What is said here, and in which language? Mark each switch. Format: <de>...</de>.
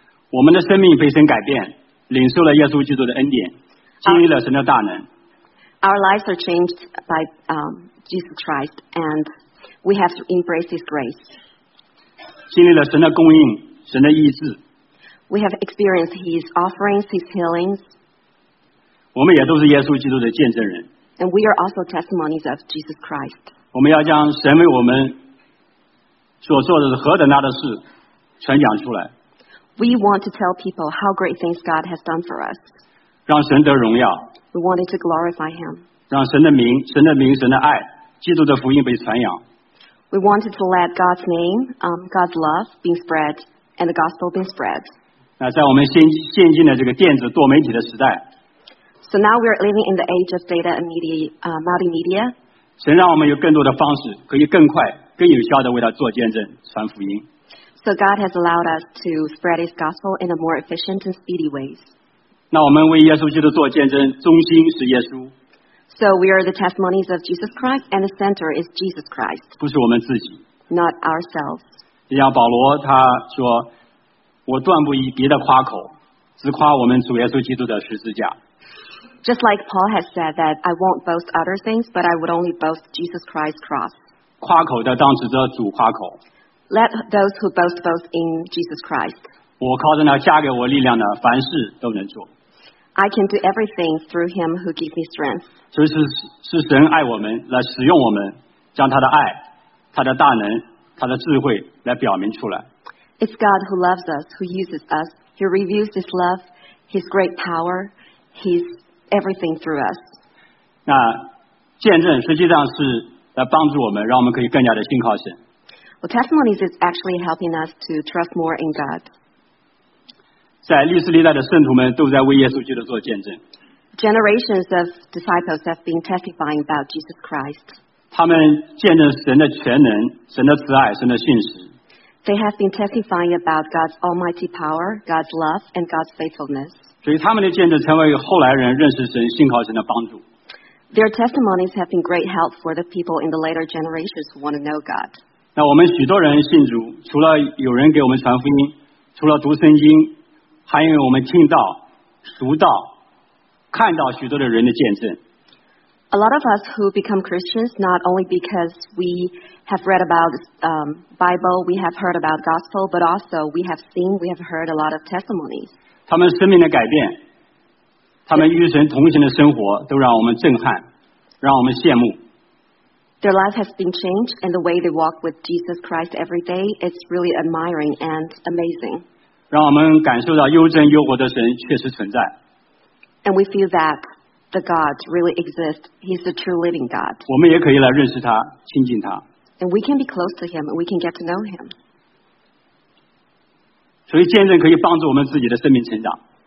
<en>Our lives are changed by Jesus Christ, and we have to embrace His grace.</en> <zh>经历了神的供应，神的医治。</zh> <en>We have experienced His offerings, His healings.</en> <zh>我们也都是耶稣基督的见证人。</zh> <en>And we are also testimonies of Jesus Christ.</en> <zh>我们要将神为我们所做的何等大的事传讲出来。</zh> <en>We want to tell people how great things God has done for us.</en> <zh>让神得荣耀。</zh> <en>We wanted to glorify Him.</en> <zh>让神的名、神的名、神的爱、基督的福音被传扬。</zh> <en>We wanted to let God's name, God's love, be spread, and the gospel be spread.</en> <zh>那在我们现今的这个电子多媒体的时代。</zh> <en>So now we're living in the age of data and media, multimedia.</en> <zh>神让我们有更多的方式，可以更快、更有效地为他做见证、传福音。</zh> <en>So God has allowed us to spread His gospel in a more efficient and speedy ways.</en> <zh>那我们为耶稣基督做见证，中心是耶稣。</zh> <en>So we are the testimonies of Jesus Christ, and the center is Jesus Christ.</en> <zh>不是我们自己。</zh> <en>Not ourselves.</en> <zh>就像保罗他说，我断不以别的夸口，只夸我们主耶稣基督的十字架。</zh> <en>Just like Paul has said that I won't boast other things, but I would only boast Jesus Christ's cross.</en> <zh>夸口的当指着主夸口。</zh> <en>Let those who boast boast in Jesus Christ.</en> <zh>我靠着那加给我力量的，凡事都能做。</zh> <en>I can do everything through him who gives me strength.</en> <zh>所以 是神爱我们，来使用我们，将他的爱、他的大能、他的智慧来表明出来。</zh> <en>It's God who loves us, who uses us, who reveals his love, his great power, his everything through us.</en> <zh>那见证实际上是来帮助我们，让我们可以更加的信靠神。</zh> <en>Well, testimonies is actually helping us to trust more in God.</en> <zh>在历史历代的圣徒们都在为耶稣基督做见证。</zh> <en>Generations of disciples have been testifying about Jesus Christ.</en> <zh>他们见证神的全能、神的慈爱、神的信实。</zh> <en>They have been testifying about God's almighty power, God's love, and God's faithfulness.</en> <zh>所以他们的见证成为后来人认识神、信靠神的帮助。</zh> <en>Their testimonies have been great help for the people in the later generations who want to know God.</en> <zh>那我们许多人信主，除了有人给我们传福音，除了读圣经，还因为我们听到、读到、看到许多的人的见证。</zh> <en>A lot of us who become Christians, not only because we have read about Bible, we have heard about gospel, but also we have seen, we have heard a lot of testimonies.</en> <zh>他们生命的改变，他们与神同行的生活，都让我们震撼，让我们羡慕。</zh> <en>Their life has been changed, and the way they walk with Jesus Christ every day is really admiring and amazing.</en> <zh>让我们感受到又真又活的神确实存在。</zh> <en>And we feel that. The God really exists. He's the true living God.</en> <zh>我们也可以来认识他，亲近他。</zh> <en>And we can be close to him. And we can get to know him.</en> <zh>所以见证可以帮助我们自己的生命成长。</zh>